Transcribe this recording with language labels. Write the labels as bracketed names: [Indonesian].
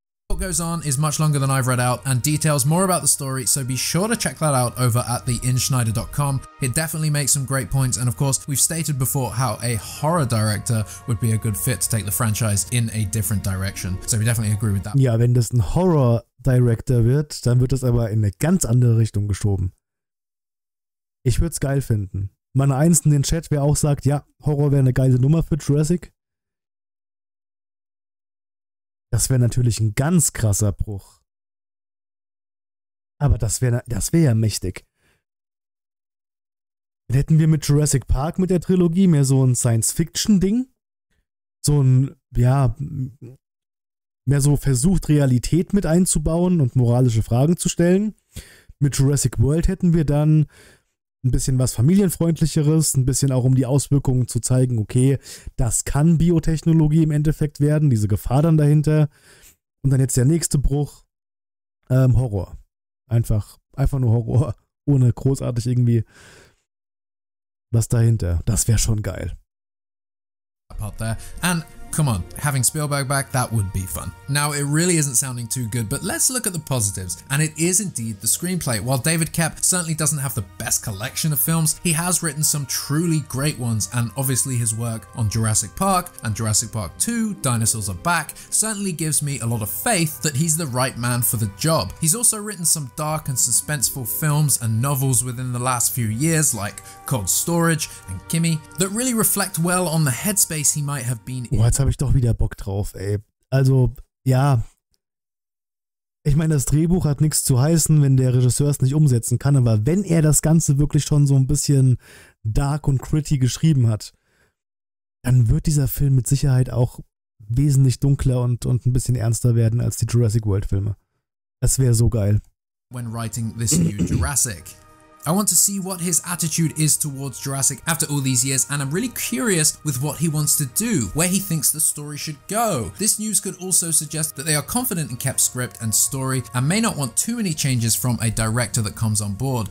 [English] What goes on is much longer than I've read out and details more about the story, so be sure to check that out over at theinschneider.com. It definitely makes some great points, and of course, we've stated before how a horror director would be a good fit to take the franchise in a different direction. So we definitely agree with that. [German] Ja, wenn das ein Horror Director wird, dann wird das aber in eine ganz andere Richtung geschoben. Ich würde es geil finden. meine Eins in den Chat, wer auch sagt, ja, Horror wäre eine geile Nummer für Jurassic. Das wäre natürlich ein ganz krasser Bruch. Aber das wäre ja mächtig. Dann hätten wir mit Jurassic Park, mit der Trilogie, mehr so ein Science-Fiction-Ding. So ein, ja, mehr so versucht, Realität mit einzubauen und moralische Fragen zu stellen. Mit Jurassic World hätten wir dann ein bisschen was Familienfreundlicheres, ein bisschen auch um die Auswirkungen zu zeigen, okay, das kann Biotechnologie im Endeffekt werden, diese Gefahr dann dahinter. Und dann jetzt der nächste Bruch, Horror. Einfach nur Horror, ohne großartig irgendwie was dahinter. Das wäre schon geil. [English] And come on, having Spielberg back, that would be fun. Now, it really isn't sounding too good, but let's look at the positives. And it is indeed the screenplay. While David Koepp certainly doesn't have the best collection of films, he has written some truly great ones, and obviously his work on Jurassic Park and Jurassic Park 2, Dinosaurs Are Back, certainly gives me a lot of faith that he's the right man for the job. He's also written some dark and suspenseful films and novels within the last few years, like Cold Storage and Kimmy, that really reflect well on the headspace he might have been in. [German] Jetzt habe ich doch wieder Bock drauf, ey. Also, ja. Ich meine, das Drehbuch hat nichts zu heißen, wenn der Regisseur es nicht umsetzen kann. Aber wenn er das Ganze wirklich schon so ein bisschen dark und gritty geschrieben hat, dann wird dieser Film mit Sicherheit auch wesentlich dunkler und ein bisschen ernster werden als die Jurassic World Filme. Das wäre so geil. [English] When writing this new Jurassic. I want to see what his attitude is towards Jurassic after all these years, and I'm really curious with what he wants to do, where he thinks the story should go. This news could also suggest that they are confident in Koepp's script and story and may not want too many changes from a director that comes on board.